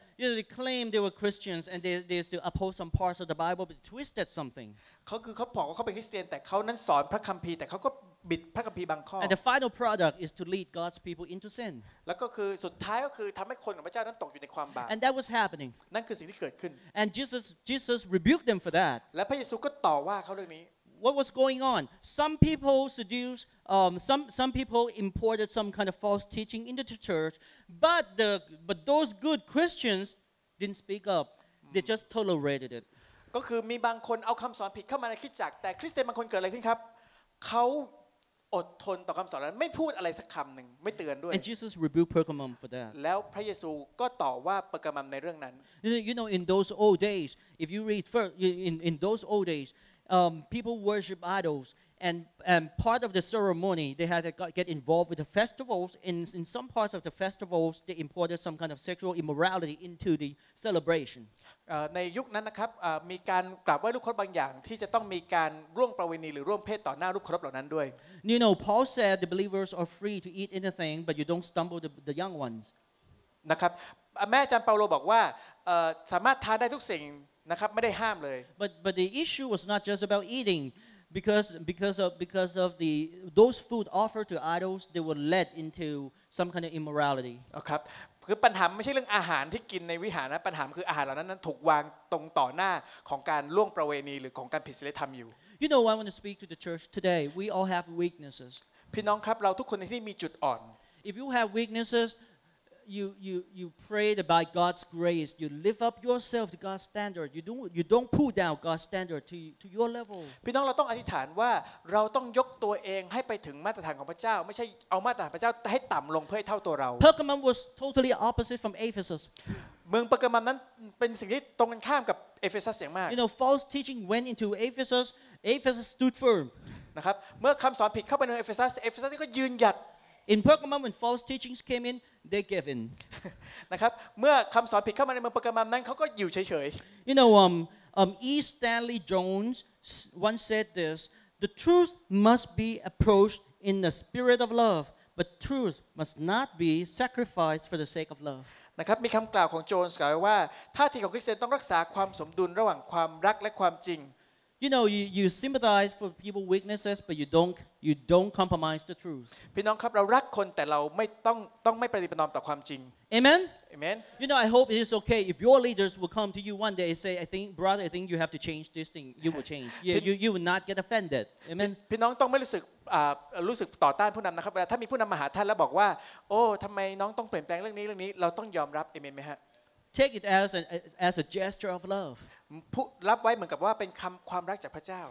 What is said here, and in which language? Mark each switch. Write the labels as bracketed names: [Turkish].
[English] You know, they claim they were Christians and they used to oppose some parts of the Bible but twisted something [Thai] เขาคือเขาบอกว่าเขาเป็นคริสเตียนแต่เขานั้นสอนพระคัมภีร์แต่เขาก็บิดพระคัมภีร์บางข้อ [English] And the final product is to lead God's people into sin [Thai] แล้วก็คือสุดท้ายก็คือทำให้คนของพระเจ้านั้นตกอยู่ในความบาป [English] And that was happening [Thai] นั่นคือสิ่งที่เกิดขึ้น [English] And Jesus rebuked them for that [Thai] และพระเยซูก็ต่อว่าเขาเรื่องนี้ [English] What was going on some people seduced some people imported some kind of false teaching into the church but those good Christians didn't speak up they just tolerated it [Thai] ก็คือมีบางคนเอาคำสอนผิดเข้ามาในคริสตจักรแต่คริสเตียนบางคนเกิดอะไรขึ้นครับเขาอดทนต่อคำสอนนั้นไม่พูดอะไรสักคำหนึ่งไม่เตือนด้วย [English] And Jesus rebuked Pergamum for that [Thai] แล้วพระเยซูก็ต่อว่าปะกะมัมในเรื่องนั้น [English] You know in those old days if you read first in those old days people worship idols and part of the ceremony they had to get involved with the festivals in some parts of the festivals they imported some kind of sexual immorality into the celebration [Thai] ในยุคนั้นนะครับมีการกราบไหว้รูปเคารพบางอย่างที่จะต้องมีการร่วมประเวณีหรือร่วมเพศต่อหน้ารูปเคารพเหล่านั้นด้วย [English] You know Paul said the believers are free to eat anything but you don't stumble the young ones [Thai] นะครับแม่อาจารย์เปาโลบอกว่าสามารถทานได้ทุกสิ่งนะครับไม่ได้ห้ามเลย [English] but the issue was not just about eatingbecause of the those food offered to idols they were led into some kind of immorality [Thai] ครับคือปัญหาไม่ใช่เรื่องอาหารที่กินในวิหารนะปัญหาคืออาหารเหล่านั้นนั้นถูกวางตรงต่อหน้าของการล่วงประเวณีหรือของการผิดศีลธรรมอยู่ [English] You know I want to speak to the church today we all have weaknesses [Thai] พี่น้องครับเราทุกคนในที่มีจุดอ่อน [English] If you have weaknessesYou pray by God's grace. You lift up yourself to God's standard. You don't pull down God's standard to your level. [Thai] พี่น้องเราต้องอธิษฐานว่าเราต้องยกตัวเองให้ไปถึงมาตรฐานของพระเจ้าไม่ใช่เอามาตรฐานพระเจ้าให้ต่ำลงเพื่อให้เท่าตัวเรา [English] Pergamum was totally opposite from Ephesus. [Thai] เมืองเปอร์กามัมนั้นเป็นสิ่งที่ตรงกันข้ามกับเอเฟซัสอย่างมาก [English] You know, false teaching went into Ephesus. Ephesus stood firm. [Thai] นะครับเมื่อคำสอนผิดเข้าไปในเอเฟซัสเอเฟซัสก็ยืนหยัด [English] In Pergamum, when false teachings came in, they gave in. [Thai] นะครับเมื่อคำสอนผิดเข้ามาในเมืองเปอร์กามัมนั้นเขาก็อยู่เฉย [English] ๆ You know, E. Stanley Jones once said this: "The truth must be approached in the spirit of love, but truth must not be sacrificed for the sake of love." [Thai] นะครับมีคำกล่าวของโจนส์กล่าวว่าท่าทีของคริสเตียนต้องรักษาความสมดุลระหว่างความรักและความจริง [English] You know, you sympathize for people's weaknesses, but you don't compromise the truth. [Thai] พี่น้องครับเรารักคนแต่เราไม่ต้องไม่ปฏิปนอมต่อความจริง [English] Amen. Amen. You know, I hope it is okay if your leaders will come to you one day and say, "I think, brother, I think you have to change this thing." You will change. Yeah, you will not get offended. Amen. [Thai] พี่น้องต้องไม่รู้สึกต่อต้านผู้นำนะครับเวลาถ้ามีผู้นำมาหาท่านแล้วบอกว่าโอ้ทำไมน้องต้องเปลี่ยนแปลงเรื่องนี้เราต้องยอมรับ Amen ไหมฮะ [English] Take it as a gesture of love. [Thai] รับไว้เหมือนกับว่าเป็นคำความรักจากพระเจ้า